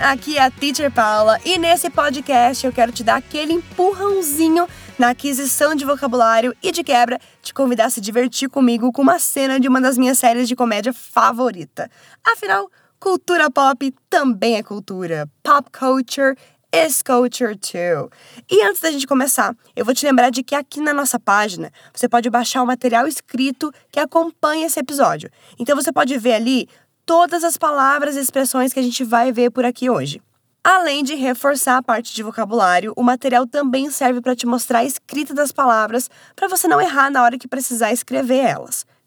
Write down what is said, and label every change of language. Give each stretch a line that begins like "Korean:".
Portuguese: Aqui é a Teacher Paula e nesse podcast eu quero te dar aquele empurrãozinho na aquisição de vocabulário e de quebra te convidar a se divertir comigo com uma cena de uma das minhas séries de comédia favorita. Afinal, cultura pop também é cultura.
English: Pop culture is culture too.
Portuguese: E antes da gente começar, eu vou te lembrar de que aqui na nossa página você pode baixar o material escrito que acompanha esse episódio. Então você pode ver ali todas as palavras e expressões que a gente vai ver por aqui hoje. Além de reforçar a parte de vocabulário, o material também serve para te mostrar a escrita das palavras para você não errar na hora que precisar escrever elas.